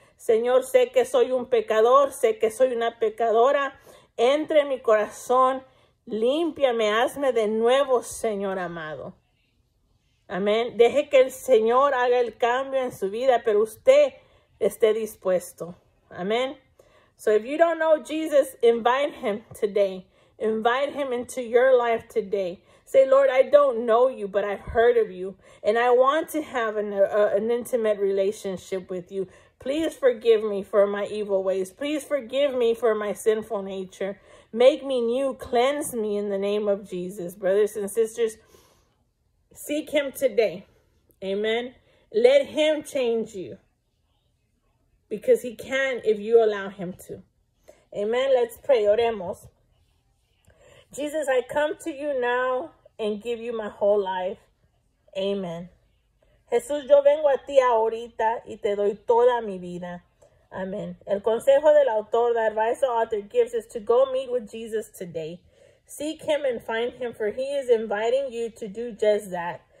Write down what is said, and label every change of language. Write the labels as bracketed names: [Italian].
[Spanish] Señor, sé que soy un pecador, sé que soy una pecadora. Entre en mi corazón, límpiame, hazme de nuevo, Señor amado. Amén. Deje que el Señor haga el cambio en su vida, pero usted esté dispuesto. Amén. [English] So if you don't know Jesus, invite Him today. Invite Him into your life today. Say, Lord, I don't know you, but I've heard of you. And I want to have an intimate relationship with you. Please forgive me for my evil ways. Please forgive me for my sinful nature. Make me new. Cleanse me in the name of Jesus. Brothers and sisters, seek Him today. Amen. Let Him change you. Because He can if you allow Him to. Amen. Let's pray. [Spanish] Oremos. [English] Jesus, I come to you now and give you my whole life. Amen. [Spanish] Jesús, yo vengo a ti ahorita y te doy toda mi vida. Amén. El consejo del autor, [English] the advice the author gives, is to go meet with Jesus today. Seek Him and find Him, for He is inviting you to do just that.